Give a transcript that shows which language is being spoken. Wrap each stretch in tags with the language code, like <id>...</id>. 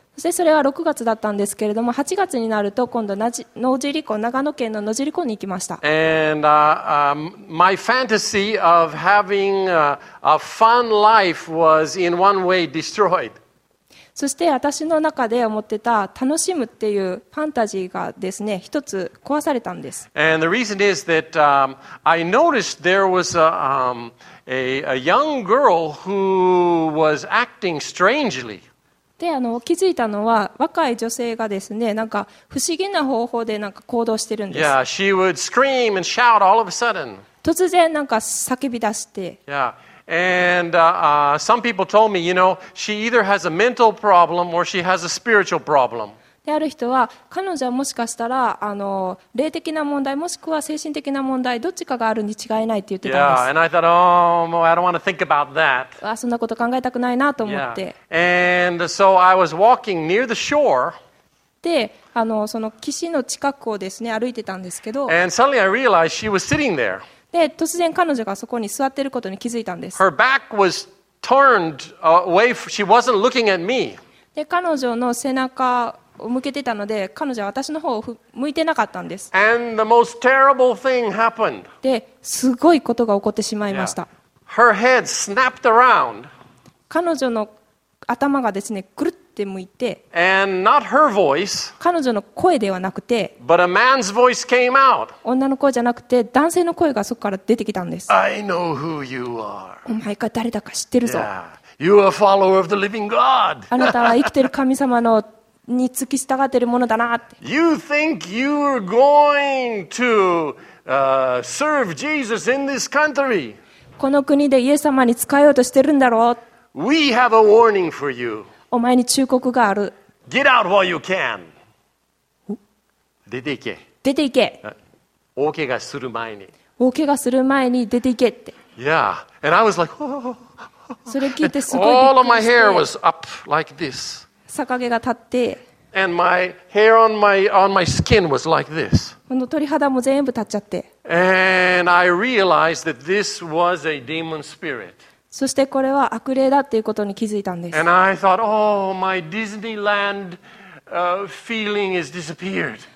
<ja>そして、それは6月だったんですけれども、8月になると今度Nojiriko、長野県の Nojiriko に行きました。</ja> <en>And my fantasy of having a fun life was in one way destroyed.</en> <ja>そして、私の中で思ってた楽しむっていうファンタジーがですね、一つ壊されたんです。</ja> <en>And the reason is that I noticed there was a young girl who was acting strangely.</en> <ja>で、気づいたのは、若い女性がですね、なんか不思議な方法でなんか行動してるんです。</ja> <en>Yeah, she would scream and shout all of a sudden.</en> <ja>突然なんか叫び出して。</ja> <en>Yeah. And some people told me, you know, she either has a mental problem or she has a spiritual problem.</en> <ja>である人は彼女はもしかしたら霊的な問題もしくは精神的な問題どっちかがあるに違いないって言ってたんです。</ja> <en>Yeah, and I thought, oh, well,</en> <ja>そんなこと考えたくないなと思って。</ja> <en>Yeah. And so I was walking near the shore.</en> <ja>で、その岸の近くをですね歩いてたんですけど。</ja> <en>And suddenly I realized she was sitting there.</en> <ja>で、突然彼女がそこに座っていることに気づいたんです。</ja> <en>Her back was turned away. She wasn't looking at me.</en> <ja>で、彼女の背中向けてたので彼女は私の方を向いてなかったんです。</ja> <en>And the most terrible thing happened.</en> <ja>で、すごいことが起こってしまいました、</ja> <en>yeah. Her head snapped around.</en> <ja>彼女の頭がですね、くるって向いて</ja> <en>And not her voice,</en> <ja>彼女の声ではなくて</ja> <en>but a man's voice came out.</en> <ja>女の声じゃなくて男性の声がそこから出てきたんです。</ja> <en>I know who you are.</en> <ja>お前が誰だか知ってるぞ、</ja> <en>yeah. You are a follower of the living God.</en> <ja>あなたは生きてる神様のに突き従ってるものだなって。</ja> <en>You think you're going to serve Jesus in this country?</en> <ja>この国でイエス様に使えようとしてるんだろう。</ja> <en>We have a warning for you.</en> <ja>お前に忠告がある。</ja> <en>Get out while you can.</en> <ja>出て行け。出て行け。大怪我する前に。大怪我する前に出て行けって。</ja> <en>Yeah, and I was like, oh.</en> <ja>それ聞いてすごいびっくりして。</ja> <en>All of my hair was up like this.</en> <ja>逆毛が立って、</ja> <en>and my hair on my skin was like this.</en> <ja>この鳥肌も全部立っちゃって、</ja> <en>and I realized that this was a demon spirit.</en> <ja>そしてこれは悪霊だっていうことに気づいたんです。</ja> <en>and I thought, oh, my Disneyland feeling is disappeared.</en>